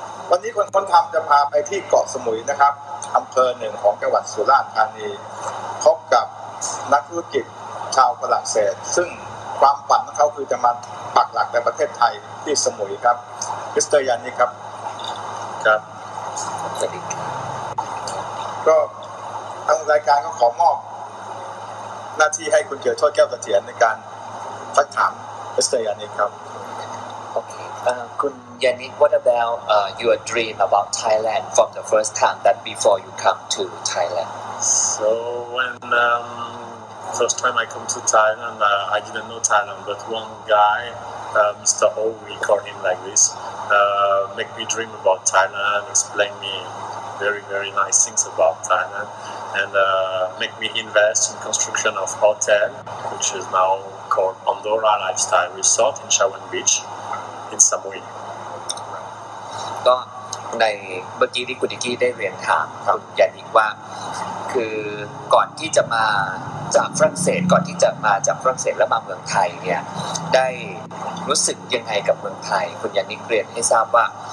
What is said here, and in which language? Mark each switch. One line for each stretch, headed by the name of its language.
Thai: วันนี้คนค้นธรรมจะพาไปที่เกาะสมุยนะครับอำเภอหนึ่งของจังหวัดสุราษฎร์ธานีพบกับนักธุรกิจชาวฝรั่งเศสซึ่งความฝันของเขาคือจะมาปักหลักในประเทศไทยที่สมุยครับมิสเตอร์ยานนี่ครับ ครับ สวัสดีครับ ก็ทางรายการก็ขอมอบหน้าที่ให้คุณเกียรติโชติแก้วเสถียรในการสักถามมิสเตอร์ยานนี่ครับ โอเคคุณ
English: Yannick, what about your dream about Thailand from the first time that before you come to Thailand? So when first time I come to Thailand, I didn't know Thailand, but one guy, Mr. O, we call him like this, make me dream about Thailand, explain me very, very nice things about Thailand, and make me invest in construction of hotel, which is now called Andorra Lifestyle Resort in Chawan Beach in Samui.
Thai: ก็ในเมื่อกี้ที่คุณดิกี้ได้เรียนถามคุณยานิกว่าคือก่อนที่จะมาจากฝรั่งเศสก่อนที่จะมาจากฝรั่งเศสแล้วมาเมืองไทยเนี่ยได้รู้สึกยังไงกับเมืองไทยคุณยานิกเรียนให้ทราบว่า